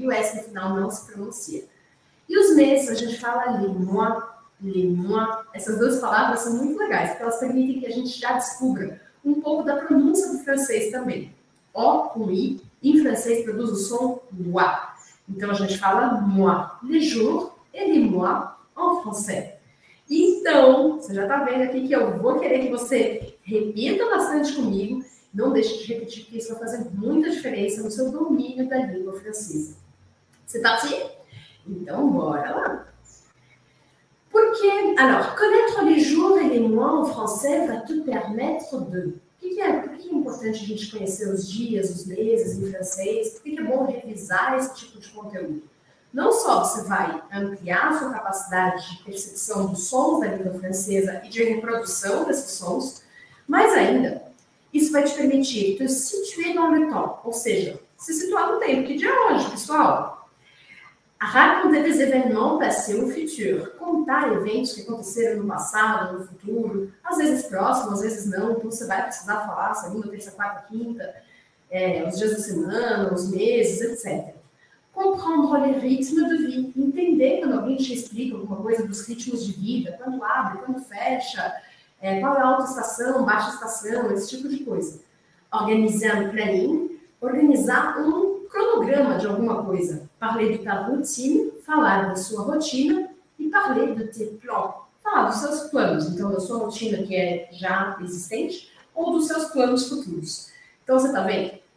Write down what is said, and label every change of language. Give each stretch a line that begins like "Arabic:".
Portuguese: E o S no final não se pronuncia. E os meses, a gente fala
French: les mois. Les mois.
Portuguese: Essas duas palavras são muito legais, porque elas permitem que a gente já descubra um pouco da pronúncia do francês também. O com I, em francês, produz o som moi. Então a gente fala moi.
French: Les jours et les mois en français.
Portuguese: Então, você já está vendo aqui que eu vou querer que você repita bastante comigo. Não deixe de repetir, porque isso vai fazer muita diferença no seu domínio da língua francesa.
French: C'est parti?
Portuguese: Então, bora lá! Porque,
French: alors, connaître les jours et les mois en français va te permettre de.
Portuguese: Por que é importante a gente conhecer os dias, os meses em francês? Por que é bom revisar esse tipo de conteúdo? Não só você vai ampliar a sua capacidade de percepção dos sons da língua francesa e de reprodução desses sons, mas ainda, isso vai te permitir
French: te situer dans le temps,
Portuguese: ou seja, se situar no tempo. Que dia é hoje, pessoal?
French: Raconter des événements passés ou futurs.
Portuguese: Contar eventos que aconteceram no passado, no futuro, às vezes próximo, às vezes não. Então você vai precisar falar segunda, terça, quarta, quinta, os dias da semana, os meses, etc.
French: Comprendre les rythmes de vie.
Portuguese: Entender quando alguém te explica alguma coisa dos ritmos de vida, quando abre, quando fecha, qual é a alta estação, baixa estação, esse tipo de coisa. Organizar um planning, organizar um cronograma de alguma coisa.
French: Parler de ta routine,
Portuguese: falar da sua rotina e
French: parler de tes plans,
Portuguese: falar dos seus planos, então da sua rotina que é já existente ou dos seus planos futuros. Então você está vendo?